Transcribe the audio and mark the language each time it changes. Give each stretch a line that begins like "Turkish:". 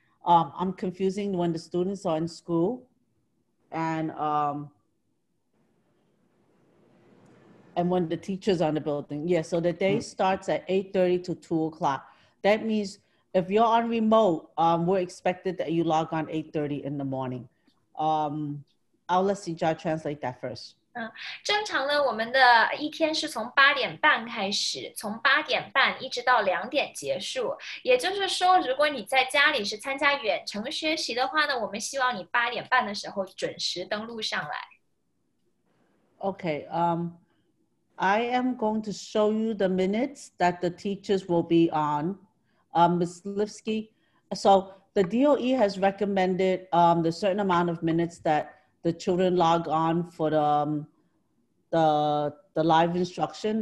English: I'm confusing when the students are in school and when the teachers are in the building. Yeah, so the day starts at 8:30 to 2 o'clock. That means if you're on remote, we're expected that you log on 8:30 in the morning. I'll let Sija translate that first.
Chinese: 正常呢，我们的一天是从八点半开始，从八点半一直到两点结束。也就是说，如果你在家里是参加远程学习的话呢，我们希望你八点半的时候准时登录上来。
English: Okay. I am going to show you the minutes that the teachers will be on. Ms. Lipsky, so the DOE has recommended the certain amount of minutes that the children log on for the live instruction.